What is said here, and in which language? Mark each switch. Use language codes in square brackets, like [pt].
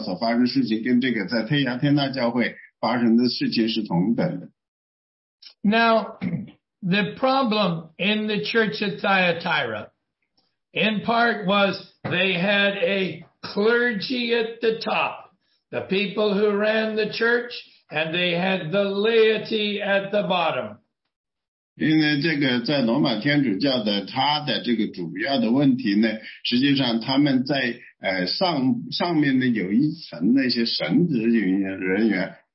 [zh] 我还没跟大家讲到很多的细节，但是实际上前面讲的足够的可以警告我们说，这个当时呢，在这个世界上这样的教会里发生的这些错误的观点，基本上是从公元后600年到公元后1500年之间差不多1000年之间发生的事情，所以这时在这个年代，在那个当时天主教所发生事情跟这个在天涯天大教会。 [en] Now, the problem in the church at Thyatira, in part, was they had a clergy at the top, the people who ran the church, and they had the laity at the bottom. [zh] 因为这个在罗马天主教的他的这个主要的问题呢，实际上他们在上面呢有一层那些神职人员。